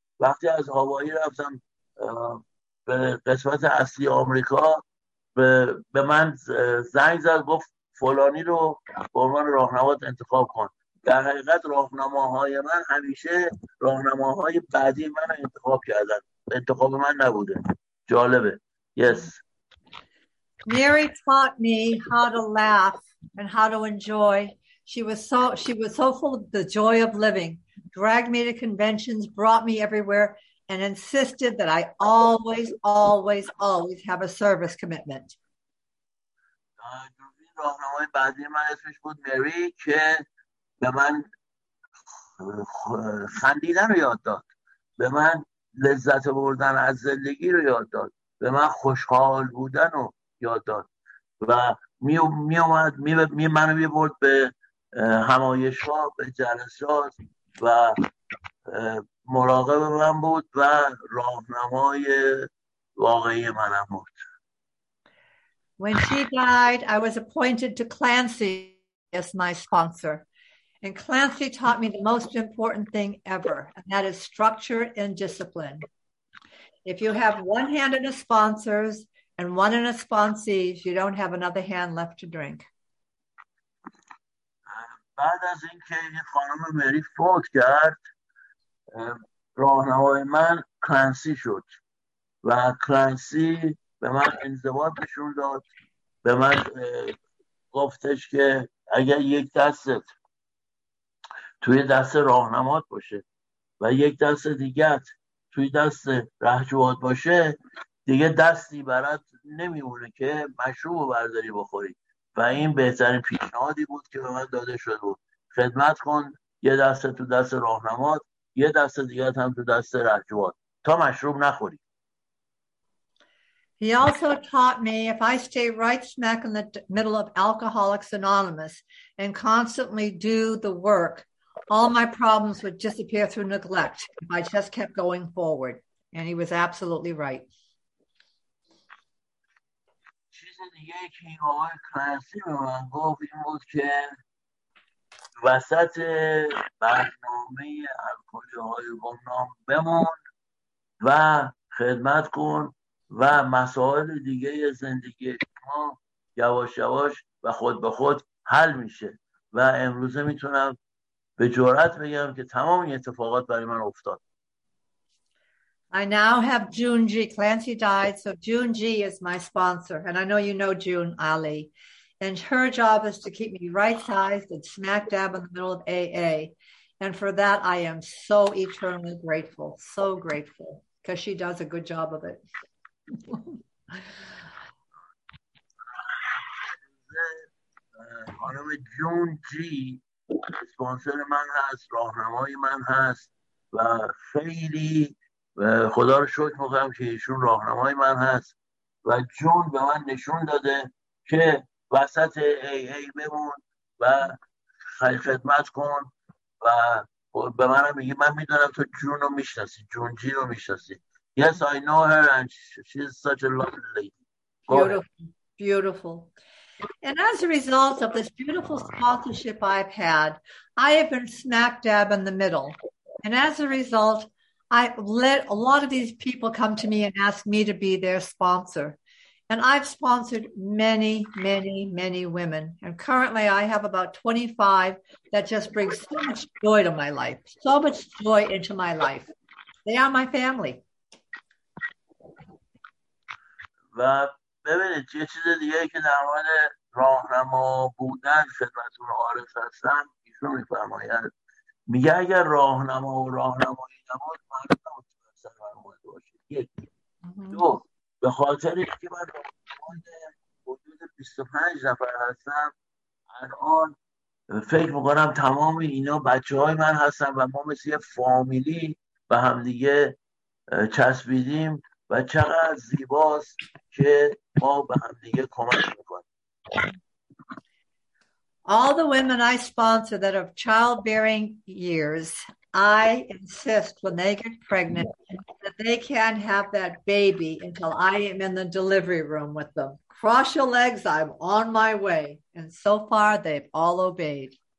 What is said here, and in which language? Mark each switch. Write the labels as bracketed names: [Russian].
[Persian] وقتی از هاوایی رفتم به قسمت اصلی آمریکا به من زنگ زد گفت فلانی رو به عنوان راهنمات انتخاب کن. در حقیقت راهنماهای من همیشه راهنماهای بعدی من انتخاب کردن، انتخاب من نبوده. جالبه. [English] Yes. Mary taught me how to laugh and how to enjoy. She was so full of the joy of living. Dragged me to conventions, brought me everywhere, and insisted that I always, always, always have a service commitment. [Persian] راهنمای بعدی من اسمش بود مری که به من خندیدن رو یاد داد، به من لذت بردن از زندگی رو یاد داد، به من خوشحال بودن رو یاد داد و منو می برد به همایش ها، به جلسات و مراقب من بود و راهنمای واقعی منم بود. [English] When she died, I was appointed to Clancy as my sponsor. And Clancy taught me the most important thing ever, and that is structure and discipline. If you have one hand in a sponsor's and one in a sponsee's, you don't have another hand left to drink. [Persian] بعد از اینکه خانم مری فوت کرد، راهنمای من کلانسی شد و کلانسی به من انضباط نشون داد، به من گفتش که اگر یک دستت توی دست راهنمات باشه و یک دست دیگه توی دست رهجوات باشه دیگه دستی برات نمیمونه که مشروب برداری بخوری و این بهترین پیشنهادی بود که به من داده شده بود. خدمت کن، یه دست تو دست راهنمات، یه دست دیگه هم تو دست رهجوات تا مشروب نخوری. [English] He also taught me if I stay right smack in the middle of Alcoholics Anonymous and constantly do the work, all my problems would disappear through neglect if I just kept going forward. And he was absolutely right. [Persian] چیزی دیگه که این آقای کلنسی به من گفت این بود که وسط برنامه الکلی‌های گمنام بمون و خدمت کن و مسائل دیگه زندگی شما یواش یواش و خود به خود حل میشه. و امروزه میتونم به جرأت بگم که تمام این اتفاقات برای من افتاد. [English] I now have Junji. Clancy died, so Junji is my sponsor. And I know you know June Ali. And her job is to keep me right-sized and smack dab in the middle of AA. And for that, I am so eternally grateful. So grateful. Because she does a good job of it. [Persian] خانم جون جی سپانسر من هست، راهنمای من هست و خیلی خدا رو شکر میکنم که ایشون راهنمای من هست و جون به من نشون داده که وسط ای بمون و خدمت کن و به من میگه من میدونم تو جون رو میشناسی، جون جی رو میشناسی. [English] Yes, I know her and she's such a lovely lady. Beautiful. And as a result of this beautiful sponsorship I've had, I have been smack dab in the middle. And as a result, I've let a lot of these people come to me and ask me to be their sponsor. And I've sponsored many, many, many women. And currently I have about 25 that just bring so much joy to my life, so much joy into my life. They are my family. [Persian] ببینید یه چیز دیگه که در مورد راهنما بودن خدمتتون عارف هستم، ایشون میفرماید میگه اگر راهنما و راهنمایی نبود من نمیتونم سر برنامه باشم. یک دو، به خاطر اینکه من راهنمای حدود 25 نفر هستم الان فکر میکنم تمام اینا بچه های من هستن و ما مثل یه فامیلی و همدیگه چسبیدیم و چقدر زیباست که ما به همدیگه کمک میکنیم. [English] All the women I sponsor that have childbearing years, I insist when they get pregnant that they can't have that baby until I am in the delivery room with them. Cross your legs, I'm on my way. And so far, they've all obeyed.